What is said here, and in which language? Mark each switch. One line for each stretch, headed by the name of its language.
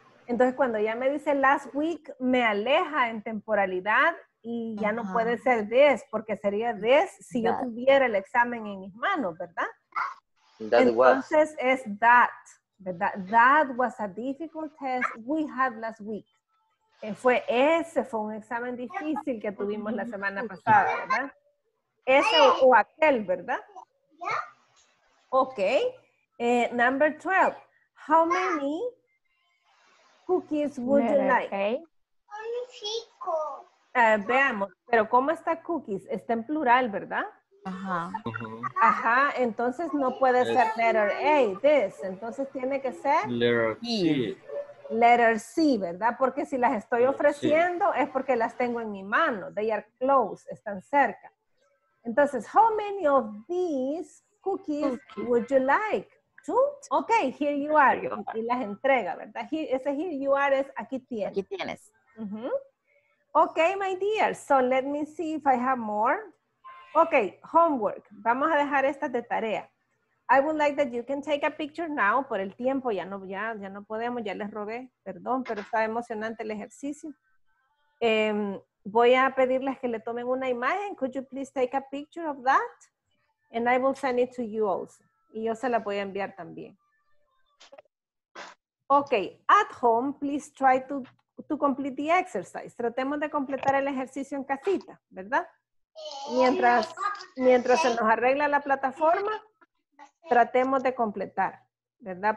Spanish: Entonces cuando ya me dice
English: last week,
Spanish: me aleja en temporalidad y ya no puede ser this porque sería this si yo tuviera el examen en mis manos, ¿verdad? Entonces es that. ¿Verdad?
English: That was a difficult test we had last week.
Spanish: Ese fue un examen difícil que tuvimos la semana pasada, ¿verdad? Ese o aquel, ¿verdad? Ok.
English: Number 12. How many cookies would you like? Only cinco.
Spanish: Veamos, pero ¿cómo está cookies? Está en plural, ¿verdad? Ajá. Ajá, entonces no puede ser letter A, this. Entonces tiene que ser
English: letter C. Letter C, ¿verdad?
Spanish: Porque si las estoy ofreciendo es porque las tengo en mi mano.
English: They are close,
Spanish: están cerca.
English: Entonces, how many of these cookies would you like? Two? Okay, here you are.
Spanish: Y las entrega, ¿verdad? Ese
English: here you are
Spanish: es aquí tienes. Aquí tienes.
English: Uh-huh. Okay, my dear. So let me see if I have more. Okay, homework.
Spanish: Vamos a dejar estas de tarea.
English: I would like that you can take a picture now.
Spanish: Por el tiempo, ya no podemos, ya les robé. Perdón, pero está emocionante el ejercicio. Voy a pedirles que le tomen una imagen.
English: Could you please take a picture of that? And I will send it to you also.
Spanish: Y yo se la voy a enviar también.
English: Okay, at home, please try to complete the exercise.
Spanish: Tratemos de completar el ejercicio en casita, ¿verdad? Mientras se nos arregla la plataforma, tratemos de completar, ¿verdad?